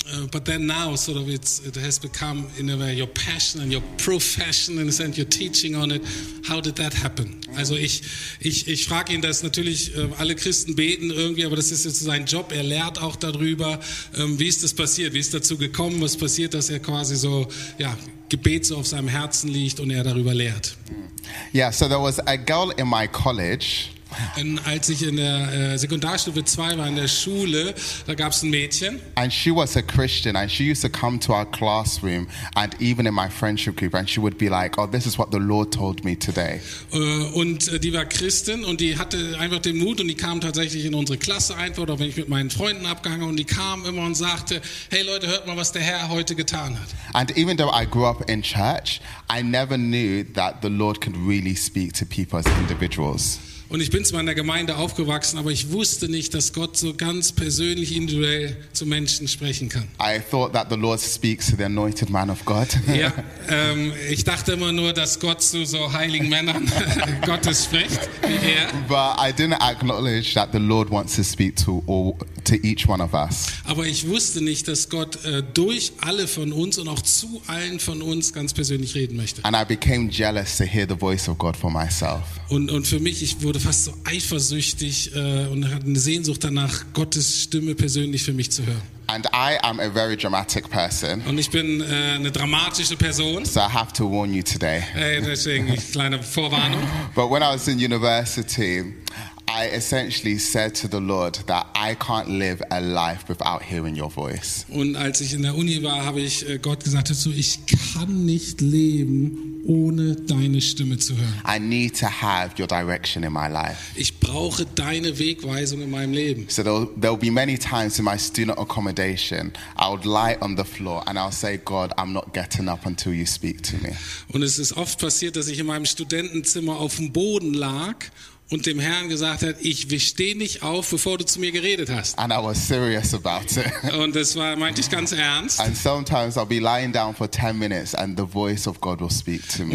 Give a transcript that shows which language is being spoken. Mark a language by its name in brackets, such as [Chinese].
[English] But then now, sort of, it has become in a way your passion and your profession, in a sense, your teaching on it. How did that happen? [German] Also ich frage ihn das natürlich. Alle Christen beten irgendwie, aber das ist jetzt sein Job. Er lehrt auch darüber. Wie ist das passiert? Wie ist dazu gekommen? Was passiert, dass er quasi so ja Gebet so auf seinem Herzen liegt und er darüber lehrt? [English] Yeah, so there was a girl in my college. [German] Und als ich in der Sekundarstufe 2 war in der Schule, da gab es ein Mädchen. [English] And she was a Christian and she used to come to our classroom and even in my friendship group and she would be like, oh, this is what the Lord told me today. [German] Und die war Christin und die hatte einfach den Mut und die kam tatsächlich in unsere Klasse einfach, oder wenn ich mit meinen Freunden abgehangen und die kam immer und sagte, hey Leute, hört mal, was der Herr heute getan hat. [English] And even though I grew up in church, I never knew that the Lord could really speak to people as individuals. [German] Und ich bin zwar in der Gemeinde aufgewachsen, aber ich wusste nicht, dass Gott so ganz persönlich, individuell zu Menschen sprechen kann. [English] I thought that the Lord speaks to the anointed man of God. [German] Ja, ich dachte immer nur, dass Gott zu so heiligen Männern Gottes spricht. Ja. [English] But I didn't acknowledge that the Lord wants to speak to all, to each one of us. [German] Aber ich wusste nicht, dass Gott durch alle von uns und auch zu allen von uns ganz persönlich reden möchte. [English] And I became jealous to hear the voice of God for myself. [German] Und für mich, ich wurde fast so eifersüchtig und hatte eine Sehnsucht danach, Gottes Stimme persönlich für mich zu hören. [English] And I am a very dramatic person. [German] Und ich bin eine dramatische Person. [English] So I have to warn you today. [German] Deswegen eine kleine Vorwarnung. [English] But when I was in university, I essentially said to the Lord that I can't live a life without hearing your voice. [German] Und als ich in der Uni war, habe ich Gott gesagt dazu, ich kann nicht leben, ohne deine Stimme zu hören. [English] I need to have your direction in my life. [German] Ich brauche deine Wegweisung in meinem Leben. [English] So there'll be many times in my student accommodation, I would lie on the floor and I'll say, God, I'm not getting up until you speak to me. [German] Und es ist oft passiert, dass ich in meinem Studentenzimmer auf dem Boden lag und dem Herrn gesagt hat, ich stehe nicht auf, bevor du zu mir geredet hast. [English] And I was serious about it. [German] Und das war, meinte ich ganz ernst. [English] And sometimes I'll be lying down for 10 minutes and the voice of God will speak to me.